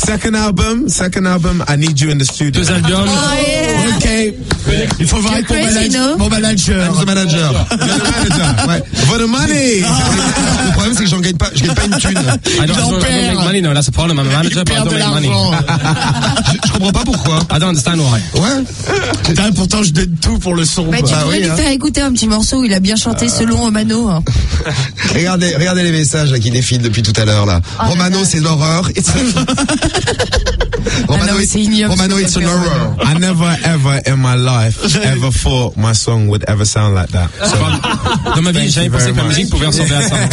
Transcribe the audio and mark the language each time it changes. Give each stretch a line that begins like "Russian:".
English: Second album, I need you in the studio.
French: Deux albums.
English: Oh, yeah.
French: Okay. Il faut voir avec ton manager. Mon manager.
English: For the money.
French: Le problème, c'est que j'en gagne pas. Je gagne pas une thune.
English: I don't make money. No, that's a problem. I'm a manager, but I don't make money.
French: Je comprends pas pourquoi.
English: I don't understand why.
French: Ouais. Putain, pourtant, je donne tout pour le son. Bah, tu pourrais lui faire écouter un petit morceau. Il a bien chanté selon Romano. Regardez les messages qui défilent depuis tout à l'heure. Là. Oh, Romano, là, c'est l'horreur. Romano,
English: it's an horror. I never ever in my life ever thought my song would ever sound like that. So,
French: dans ma vie, j'avais pensé que ma musique pouvait ressembler à ça.